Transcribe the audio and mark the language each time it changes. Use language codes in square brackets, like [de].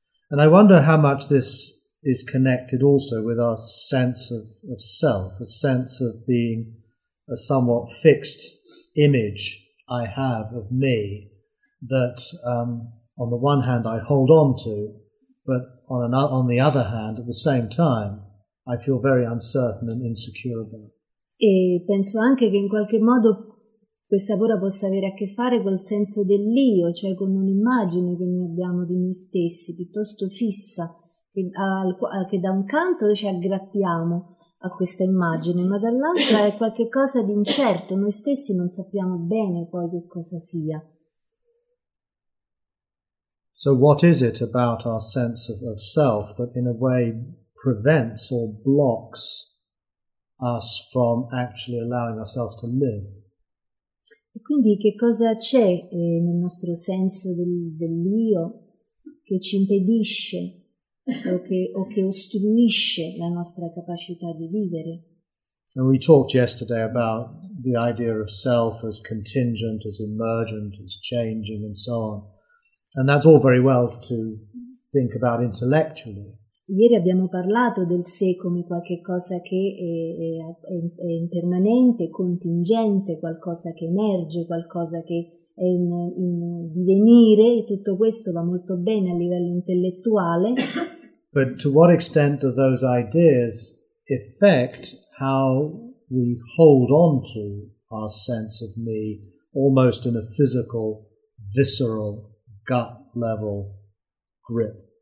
[en] And I wonder how much this is connected also with our sense of self, a sense of being a somewhat fixed image I have of me that on the one hand I hold on to, but on the other hand, at the same time, I feel very uncertain and insecure about. [it] E penso anche che in qualche modo questa paura possa avere a che fare col senso dell'io, cioè con un'immagine che noi abbiamo di noi stessi, piuttosto fissa, che da un canto ci aggrappiamo a questa immagine, ma dall'altra è qualcosa di incerto, noi stessi non sappiamo bene poi che cosa sia. [en] So what is it about our sense of self that in a way prevents or blocks us from actually allowing ourselves to live? [it] E quindi che cosa c'è nel nostro senso dell'io che ci impedisce o che ostruisce la nostra capacità di vivere? [en] And we talked yesterday about the idea of self as contingent, as emergent, as changing and so on. And that's all very well to think about intellectually. [it] Ieri abbiamo parlato del sé come qualche cosa che è impermanente, contingente, qualcosa che emerge, qualcosa che è in divenire, e tutto questo va molto bene a livello intellettuale. [en] But to what extent do those ideas affect how we hold on to our sense of me, almost in a physical, visceral gut level grip?